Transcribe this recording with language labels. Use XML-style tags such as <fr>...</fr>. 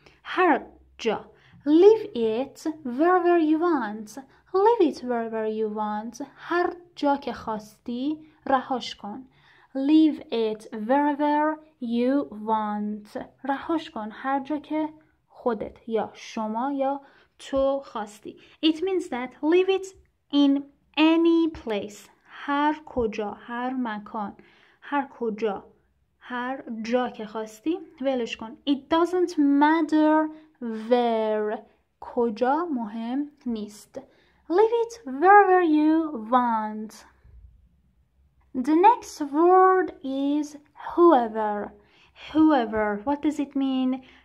<fa>هر جا.</fa> <en>Leave it wherever you want. Leave it wherever you want.</en> <fa>هر جا که خواستی رهاش کن.</fa> <en>Leave it wherever you want.</en> <fa>رهاش کن هر جا که خودت یا شما یا تو خواستی.</fa> <en>It means that leave it in any place.</en> <fa>هر کجا, هر مکان, هر کجا, هر جا که خواستی ولش کن.</fa> <en>It doesn't matter where.</en> <fa>کجا مهم نیست.</fa> <en>Leave it wherever you want. The next word is whoever. Whoever. What does it mean?</en>